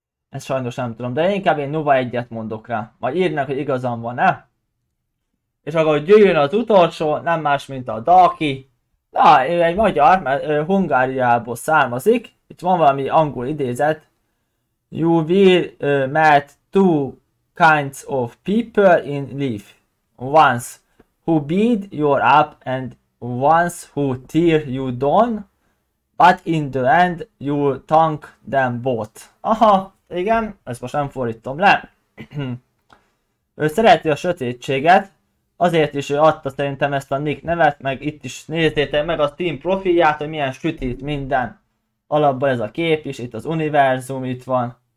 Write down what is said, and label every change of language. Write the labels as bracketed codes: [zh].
[hu] Ezt sajnos nem tudom, de én inkább én Nuva egyet mondok rá. Majd írnak, hogy igazam van-e. És akkor gyűjjön az utolsó, nem más, mint a Daki. Na, ő egy magyar, mert Hungáriából származik. Itt van valami angol idézet. [en] You will meet two kinds of people in life. Once who beat you up and once who tear you down. But in the end you thank them both. [hu] Aha, igen, ezt most nem fordítom le. Ő szereti a sötétséget. Azért is ő adta szerintem ezt a nick nevet, meg itt is nézzétek meg a team profilját, hogy milyen sütít minden. Alapból ez a kép is, itt az univerzum itt van.